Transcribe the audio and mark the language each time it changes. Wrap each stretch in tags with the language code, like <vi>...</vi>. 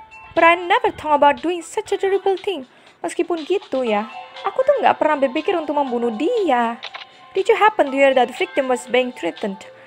<en>But I never thought about doing such a terrible thing.</en> <id>Meskipun gitu ya, aku tuh gak pernah berpikir untuk membunuh dia.</id> <en>Did you happen to hear that the victim was being threatened?</en>